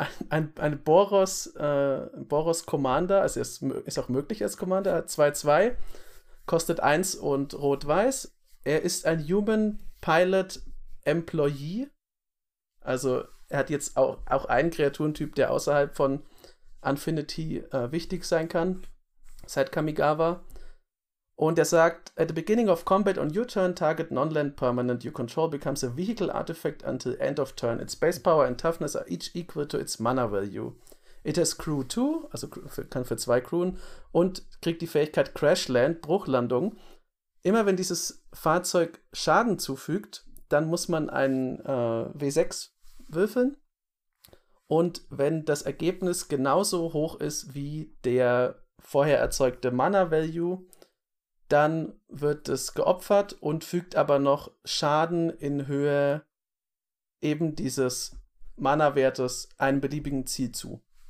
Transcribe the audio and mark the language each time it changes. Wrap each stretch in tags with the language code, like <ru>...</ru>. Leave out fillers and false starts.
<de>Ein Boros Commander, also ist auch möglich als Commander, 2/2, kostet 1 und rot-weiß. Er ist ein Human Pilot Employee. Also er hat jetzt auch einen Kreaturentyp, der außerhalb von Infinity wichtig sein kann, seit Kamigawa. Und er sagt,</de> <en>at the beginning of combat on your turn, target non-land permanent you control becomes a vehicle artifact until end of turn. Its base power and toughness are each equal to its mana value. It has crew 2,</en> <de>also kann für 2 crewen, und kriegt die Fähigkeit Crashland, Bruchlandung. Immer wenn dieses Fahrzeug Schaden zufügt, dann muss man einen W6 würfeln. Und wenn das Ergebnis genauso hoch ist wie der vorher erzeugte Mana-Value, dann wird es geopfert und fügt aber noch Schaden in Höhe eben dieses Mana-Wertes einem beliebigen Ziel zu.</de>